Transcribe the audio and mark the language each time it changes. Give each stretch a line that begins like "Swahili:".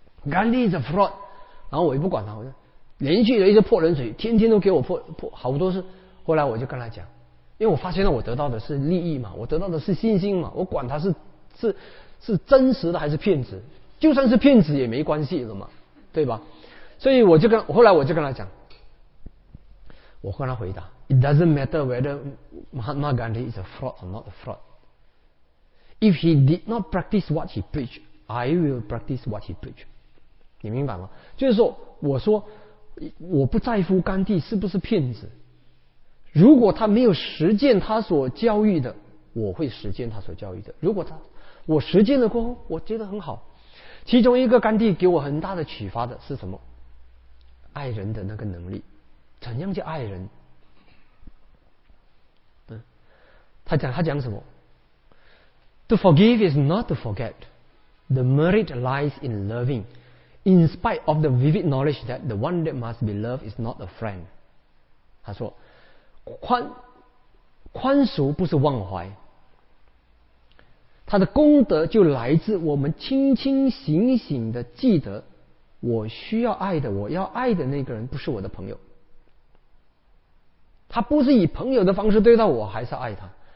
Chinese: 甘地
English: is a fraud，
Chinese: 然后我也不管他，我就连续的一直泼冷水，天天都给我泼好多次。后来我就跟他讲。因为我发现了，我得到的是利益嘛，我得到的是信心嘛，我管他是真实的还是骗子，就算是骗子也没关系的嘛，对吧？所以我后来就跟他讲，我跟他回答
English: ：It doesn't matter whether Mahatma Gandhi is a fraud or not a fraud. If he did not practice what he preached, I will practice what he preached.
Chinese: 你明白吗？就是说，我说我不在乎甘地是不是骗子。如果他没有实践他所教育的，我会实践他所教育的。如果他我实践了过后，我觉得很好。其中一个甘地给我很大的启发的是什么？爱人的那个能力，怎样叫爱人？嗯，他讲什么
English: ？To forgive is not to forget. The merit lies in loving, in spite of the vivid knowledge that the one that must be loved is not a friend.
Chinese: 他说。宽恕不是忘怀，他的功德就来自我们清清醒醒的记得，我需要爱的，我要爱的那个人不是我的朋友，他不是以朋友的方式对待我，还是爱他。